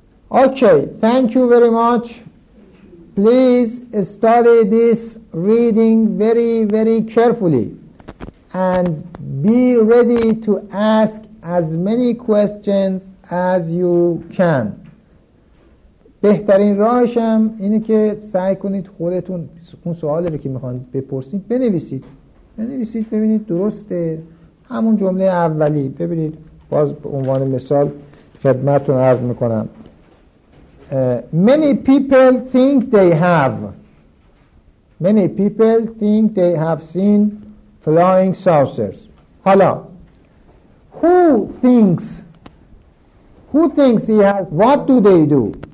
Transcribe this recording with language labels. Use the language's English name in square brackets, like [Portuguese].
[English] Okay, thank you very much. Please study this reading very, very carefully and be ready to ask as many questions as you can. [Persian] بهترین راهش هم اینه که سعی کنید خودتون اون سوالی رو که میخوان بپرسید بنویسید ببینید درسته همون جمله اولی. ببینید باز به عنوان مثال خدمتتون عرض میکنم. [English] Many people think they have seen flying saucers. حالا who thinks he has, what do they do?